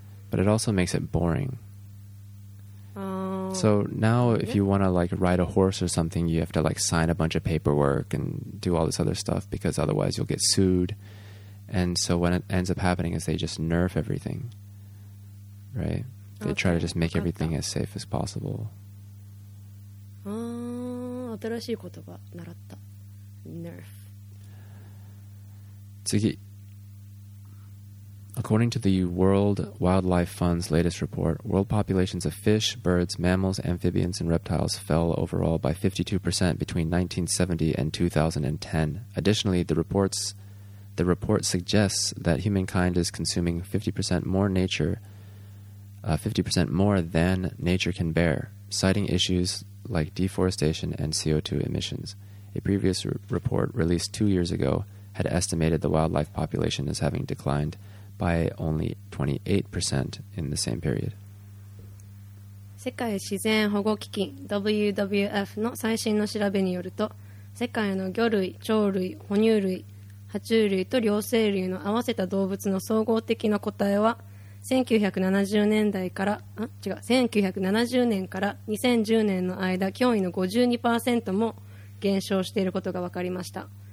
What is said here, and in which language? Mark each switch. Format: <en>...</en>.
<en>But it also makes it boring. So now if you want to like ride a horse or something, you have to like sign a bunch of paperwork and do all this other stuff because otherwise you'll get sued. And so what it ends up happening is they just nerf everything, right? They try to just make everything as safe as possible.</en> <ja>Ah, 新しい言葉習った。</ja> <en>Nerf.</en> <ja>次。</ja> <en>According to the World Wildlife Fund's latest report, world populations of fish, birds, mammals, amphibians, and reptiles fell overall by 52% between 1970 and 2010. Additionally, the report suggests that humankind is consuming 50% more nature, 50% more than nature can bear, citing issues like deforestation and CO2 emissions. A previous report released 2 years ago had estimated the wildlife population as having declined by only 28% in the same period.</en> <ja>世界自然保護基金 WWF の最新の調べによると、世界の魚類、鳥類、哺乳類、爬虫類と両生類の合わせた動物の総合的な個体は1970年から2010年の間、驚異の 52% も減少していることが分かりました。</ja>